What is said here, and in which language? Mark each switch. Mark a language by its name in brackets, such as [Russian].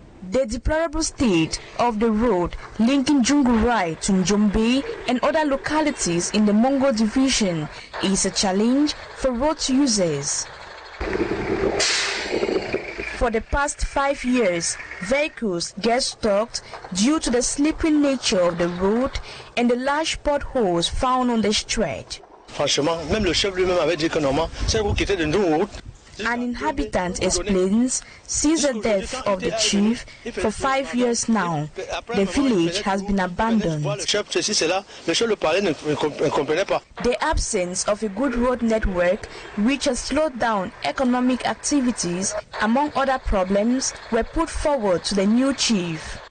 [English] The deplorable state of the road linking Djungurai to Njombe and other localities in the Mongo Division is a challenge for road users. For the past 5 years, vehicles get stuck due to the slippery nature of the road and the large potholes found on the stretch. [French] Franchement, même le chef lui-même avait dit que normalement, c'est vous qui êtes de nos routes. [English] An inhabitant explains, since the death of the chief, for 5 years now, the village has been abandoned. The absence of a good road network, which has slowed down economic activities, among other problems, were put forward to the new chief.